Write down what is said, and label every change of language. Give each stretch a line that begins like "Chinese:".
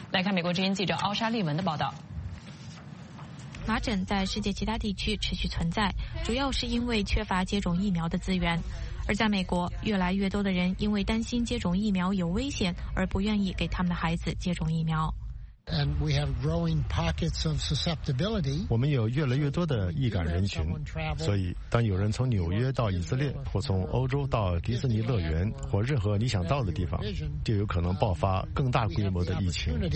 Chinese: 来看美国之音记者奥沙利文的报道。麻疹在世界其他地区持续存在，主要是因为缺乏接种疫苗的资源。而在美国，越来越多的人因为担心接种疫苗有危险而不愿意给他们的孩子接种疫苗。
English: And we have growing pockets of susceptibility.
Chinese: 我们有越来越多的易感人群，所以当有人从纽约到以色列，或从欧洲到迪士尼乐园，或任何你想到的地方，就有可能爆发更大规模的疫情。